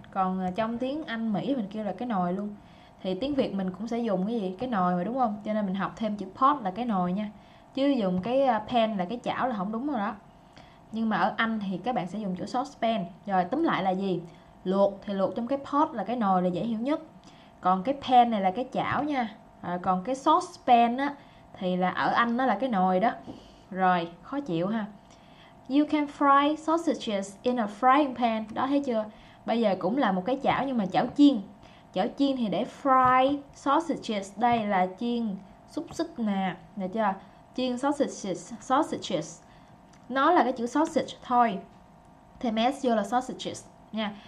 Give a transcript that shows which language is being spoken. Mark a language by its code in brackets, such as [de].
[vi] Còn trong tiếng Anh Mỹ mình kêu là cái nồi luôn. Thì tiếng Việt mình cũng sẽ dùng cái gì, cái nồi mà đúng không, cho nên mình học thêm chữ pot là cái nồi nha, chứ dùng cái pan là cái chảo là không đúng rồi đó. Nhưng mà ở Anh thì các bạn sẽ dùng chữ saucepan. Rồi tóm lại là gì, luộc thì luộc trong cái pot là cái nồi là dễ hiểu nhất, còn cái pan này là cái chảo nha. Rồi, còn cái saucepan á thì là ở Anh nó là cái nồi đó. Rồi khó chịu ha. [en] You can fry sausages in a frying pan. [vi] Đó thấy chưa? Bây giờ cũng là một cái chảo nhưng mà chảo chiên. Chảo chiên thì để fry sausages. Đây là chiên xúc xích nè, được chưa? Chiên sausages. Nó là cái chữ sausage thôi. Thêm s vô là sausages nha.